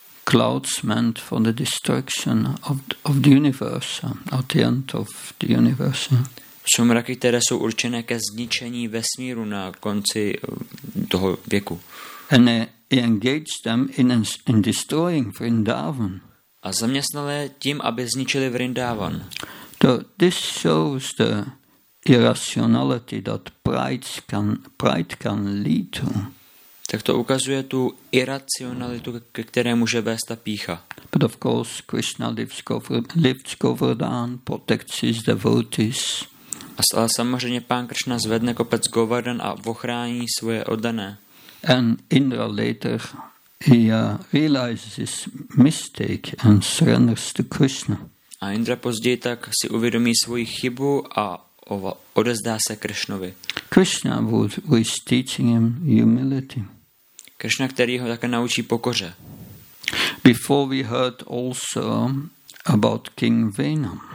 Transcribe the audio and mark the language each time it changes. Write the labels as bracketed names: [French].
[English] Clouds meant for the destruction of the universe, at the end of the universe. [Czech] Jsou mraky, které jsou určené ke zničení vesmíru na konci toho věku. [English] And he engaged them in destroying Vrindavan. [Czech] a zaměstnali tím, aby zničili Vrindávan. [English] So this shows the irrationality that pride can lead to. [Czech] Tak to ukazuje tu iracionalitu, ke které může vést ta pýcha. [English] But of course, Krishna lifts Govardhan, protects his devotees. [Czech] Ale samozřejmě pán Krishna zvedne kopec Govardhan a ochrání svoje oddané. [English] And Indra later realizes his mistake and surrenders to Krishna. [Czech] A Indra později tak si uvědomí svoji chybu a odezdá se Krishnovi. [English] Krishna was teaching him humility. [Czech] Krishna, který ho také naučí pokoře. [English] Before we heard also about King Vena.